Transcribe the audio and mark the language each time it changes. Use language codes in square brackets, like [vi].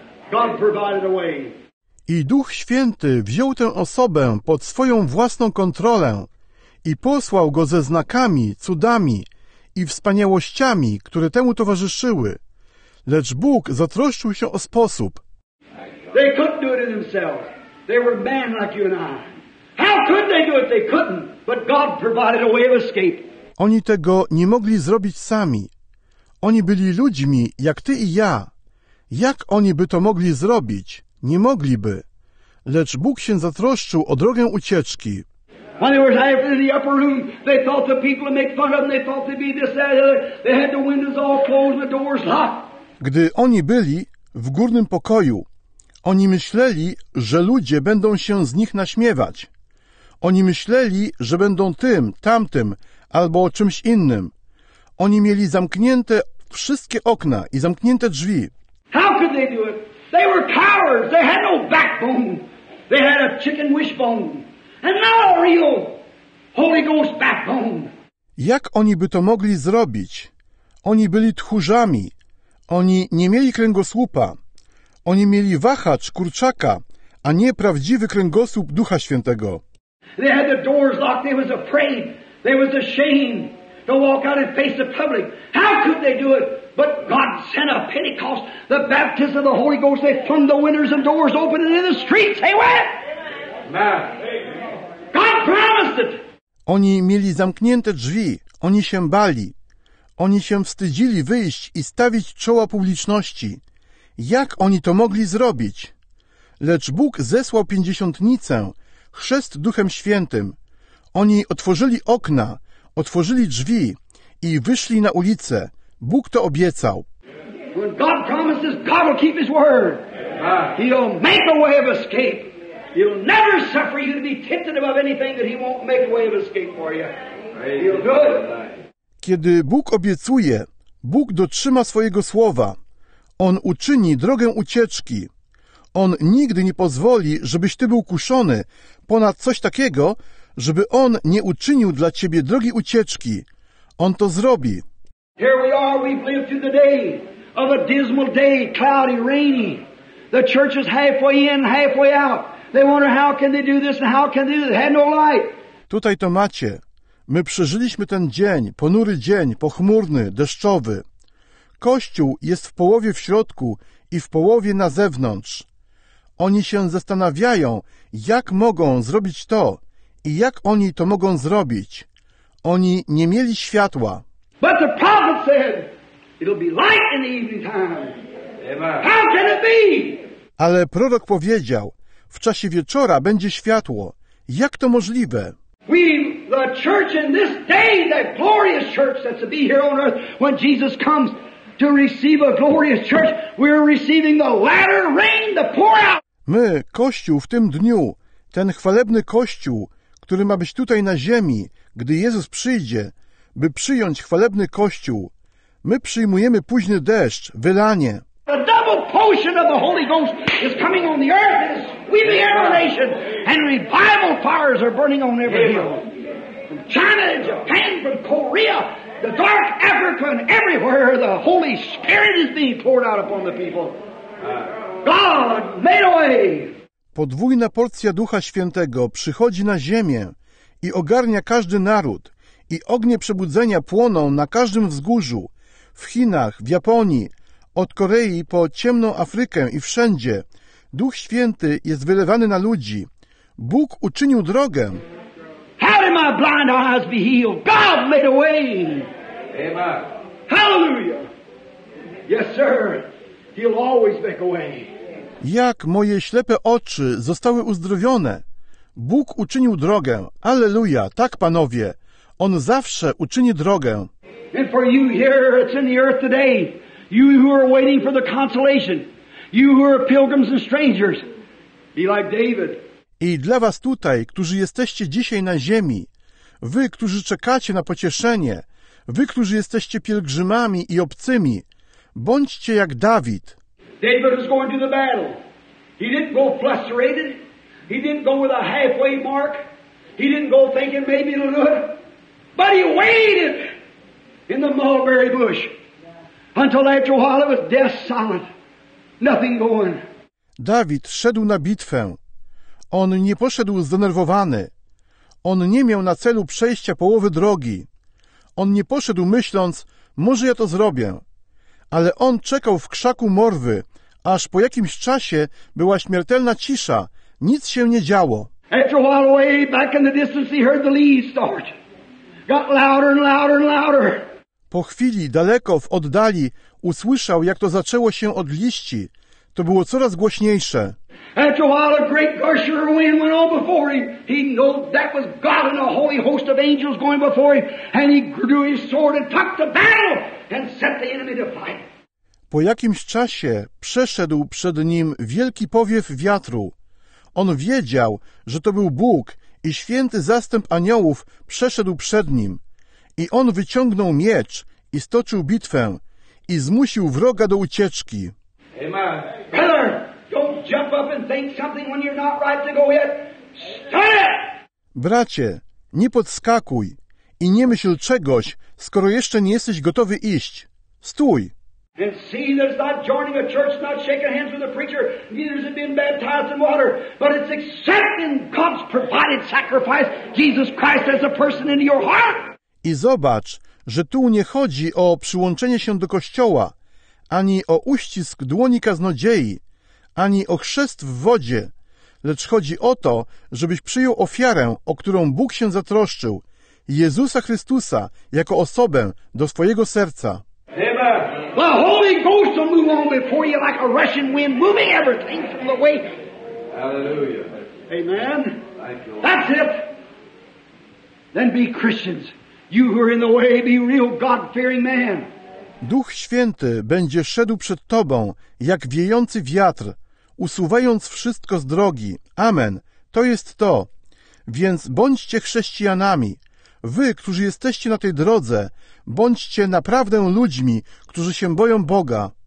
[en] God provided a way. [pl] I Duch Święty wziął tę osobę pod swoją własną kontrolę i posłał go ze znakami, cudami i wspaniałościami, które temu towarzyszyły. lecz Bóg zatroszczył się o sposób. [en] They couldn't do it in themselves. They were men like you and I. How could they do it? They couldn't. But God provided a way of escape. [pl] Oni tego nie mogli zrobić sami. Oni byli ludźmi, jak ty i ja. Jak oni by to mogli zrobić? Nie mogliby. Lecz Bóg się zatroszczył o drogę ucieczki. [en] When they were there in the upper room, they thought the people would make fun of them. They thought they'd be this, that, the other. They had the windows all closed and the doors locked. [pl] Gdy oni byli w górnym pokoju, oni myśleli, że ludzie będą się z nich naśmiewać. Oni myśleli, że będą tym, tamtym albo czymś innym. Oni mieli zamknięte wszystkie okna i zamknięte drzwi. [en] How could they do it? They were cowards. They had no backbone. They had a chicken wishbone. And not a real Holy Ghost backbone. [pl] Jak oni by to mogli zrobić? Oni byli tchórzami. Oni nie mieli kręgosłupa. Oni mieli wahacz, kurczaka, a nie prawdziwy kręgosłup Ducha Świętego. [en] They had the doors locked. They was afraid. They was ashamed to walk out and face the public. How could they do it? But God sent a Pentecost, the baptism of the Holy Ghost. They flung the windows and doors open, and in the streets they went. Amen. God promised it. [pl] Oni mieli zamknięte drzwi. Oni się bali. Oni się wstydzili wyjść i stawić czoła publiczności. Jak oni to mogli zrobić? Lecz Bóg zesłał pięćdziesiątnicę, chrzest Duchem Świętym. Oni otworzyli okna, otworzyli drzwi i wyszli na ulicę. Bóg to obiecał. [en] When God promises, God will keep His word. He'll make a way of escape. He'll never suffer you to be tempted above anything that He won't make a way of escape for you. He'll do it. [pl] Kiedy Bóg obiecuje, Bóg dotrzyma swojego słowa. On uczyni drogę ucieczki. On nigdy nie pozwoli, żebyś ty był kuszony ponad coś takiego, żeby On nie uczynił dla ciebie drogi ucieczki. On to zrobi. [en] Here we are, we've lived through the day of a dismal day, cloudy, rainy. The church is halfway in, halfway out. They wonder how can they do this and how can they do this. Had no light. [pl] Tutaj to macie. My przeżyliśmy ten dzień, ponury dzień, pochmurny, deszczowy. Kościół jest w połowie w środku i w połowie na zewnątrz. Oni się zastanawiają, jak mogą zrobić to i jak oni to mogą zrobić. Oni nie mieli światła. [en] But the prophet said, it'll be light in the evening time. How can it be? [pl] Ale prorok powiedział, w czasie wieczora będzie światło. Jak to możliwe? [en] We, the church in this day, that glorious church that's to be here on earth when Jesus comes to receive a glorious church, we're receiving the latter rain to pour out. [pl] My, Kościół w tym dniu, ten chwalebny Kościół, który ma być tutaj na ziemi, gdy Jezus przyjdzie, by przyjąć chwalebny Kościół, my przyjmujemy późny deszcz, wylanie. [en] The double portion of the Holy Ghost is coming on the earth. We be a nation, and revival fires are burning on every hill. From China to Japan, from Korea, the dark Africa, and everywhere the Holy Spirit is being poured out upon the people. God made a way. [pl] Podwójna porcja Ducha Świętego przychodzi na ziemię i ogarnia każdy naród, i ognie przebudzenia płoną na każdym wzgórzu, w Chinach, w Japonii, od Korei po ciemną Afrykę i wszędzie. Duch Święty jest wylewany na ludzi. Bóg uczynił drogę. [en] How did my blind eyes be healed? God made a way. Amen. Hallelujah. Yes, sir. He'll always make a way. [pl] Jak moje ślepe oczy zostały uzdrowione. Bóg uczynił drogę. Alleluja. Tak, panowie. On zawsze uczyni drogę. [en] And for you here, it's in the earth today. You who are waiting for the consolation, you who are pilgrims and strangers, be like David. [pl] I dla was tutaj, którzy jesteście dzisiaj na ziemi, wy, którzy czekacie na pocieszenie, wy, którzy jesteście pielgrzymami i obcymi, bądźcie jak Dawid. [en] David was going to the battle. He didn't go frustrated. He didn't go with a halfway mark. He didn't go thinking maybe it'll do it. But he waited in the mulberry bush. Until after a while it was death silent. Nothing going. [pl] Dawid szedł na bitwę. On nie poszedł zdenerwowany. On nie miał na celu przejścia połowy drogi. On nie poszedł myśląc, może ja to zrobię. ale on czekał w krzaku morwy, aż po jakimś czasie była śmiertelna cisza, nic się nie działo. [en] After a while away, back in the distance, he heard the leaves start. Got louder and louder and louder. [pl] Po chwili, daleko, w oddali, usłyszał, jak to zaczęło się od liści. To było coraz głośniejsze. [en] After a while, a great gush of wind went on before him. He knew that was God and a holy host of angels going before him. And he drew his sword and took the battle and set the enemy to fight. [pl] Po jakimś czasie przeszedł przed nim wielki powiew wiatru. On wiedział, że to był Bóg i święty zastęp aniołów przeszedł przed nim. I on wyciągnął miecz i stoczył bitwę i zmusił wroga do ucieczki. [en] Amen. Brother, don't jump up and think something when you're not right to go yet. Stay! [pl] Bracie, nie podskakuj i nie myśl czegoś, skoro jeszcze nie jesteś gotowy iść. Stój! [en] And see, there's not joining a church, not shaking hands with a preacher, neither has it been baptized in water, but it's accepting God's provided sacrifice, Jesus Christ, as a person into your heart. [pl] I zobacz, że tu nie chodzi o przyłączenie się do kościoła, ani o uścisk dłoni kaznodziei, ani o chrzest w wodzie, lecz chodzi o to, żebyś przyjął ofiarę, o którą Bóg się zatroszczył, Jezusa Chrystusa, jako osobę do swojego serca. [en] Amen. The Holy Ghost will move on before you like a rushing wind, moving everything from the way. Hallelujah. Amen. Thank you. That's it. Then be Christians. You who are in the way, be real God-fearing man. [pl] Duch Święty będzie szedł przed Tobą, jak wiejący wiatr, usuwając wszystko z drogi. Amen. To jest to. Więc bądźcie chrześcijanami. Wy, którzy jesteście na tej drodze, bądźcie naprawdę ludźmi, którzy się boją Boga.